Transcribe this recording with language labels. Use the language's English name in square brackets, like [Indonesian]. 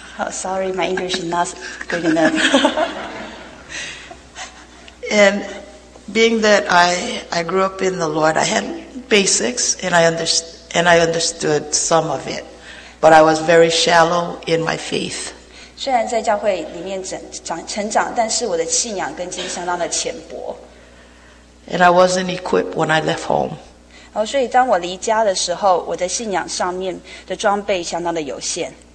[English] Sorry, my English is not good enough. And being that I grew up in the Lord, I had basics, and I understood some of it, but I was very shallow in my faith. [Chinese] 虽然在教会里面成长，但是我的信仰根基相当的浅薄。 [English] And I wasn't equipped when I left home. [Chinese] 然后，所以当我离家的时候，我的信仰上面的装备相当的有限。